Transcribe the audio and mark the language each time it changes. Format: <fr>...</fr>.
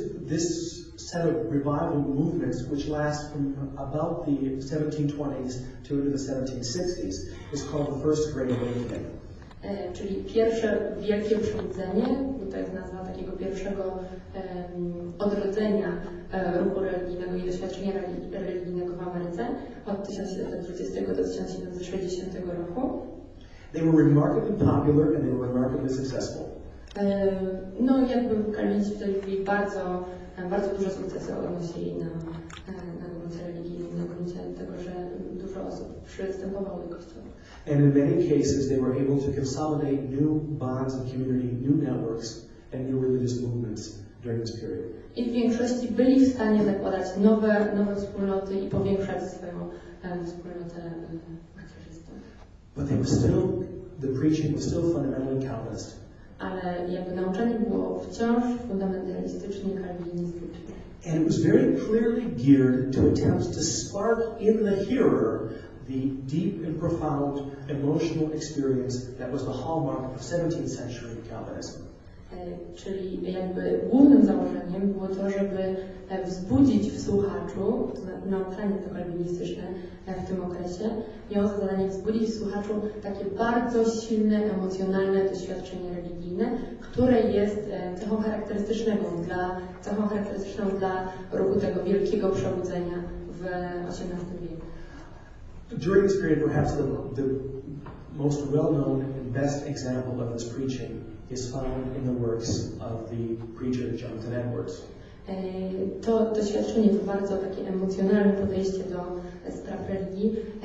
<en>This set of revival movements, which last from about the 1720s to into the 1760s, is called the First Great Awakening.</en> <pl>Czyli pierwsze wielkie przebudzenie, to jest nazwa takiego pierwszego odrodzenia ruchu religijnego i doświadczenia religijnego w Ameryce od 1720 do 1760 roku.</pl> <en>They were remarkably popular and they were remarkably successful.</en> <pl>No, jakby Kalwiniści wtedy byli bardzo, bardzo dużo sukcesu odnosili na gruncie religijnym, na gruncie tego, że dużo osób przystępowało do kościoła.</pl> <en>And in many cases they were able to consolidate new bonds of community, new networks, and new religious movements during this period.</en> <pl>I w większości byli w stanie zakładać nowe wspólnoty i powiększać swoją wspólnotę macierzystą.</pl> <en>But they were still, the preaching was still fundamentally Calvinist.</en> <pl>ale jakby nauczanie było wciąż fundamentalistycznie kalwinistyczne.</pl> <en>And it was very clearly geared to attempts to spark in the hearer the deep and profound emotional experience that was the hallmark of 17th century Calvinism.</en> <pl>Czyli jakby głównym założeniem było to, żeby wzbudzić w słuchaczu, nauczanie to kalwinistyczne w tym okresie, miało za zadanie wzbudzić w słuchaczu takie bardzo silne, emocjonalne doświadczenie religijne, które jest cechą charakterystyczną dla ruchu tego wielkiego przebudzenia w XVIII wieku.</pl> <en>During this period, perhaps the most well-known and best example of this preaching is found in the works of the preacher Jonathan Edwards.</en> <pl>To doświadczenie to bardzo takie emocjonalne podejście do spraw religii.</pl>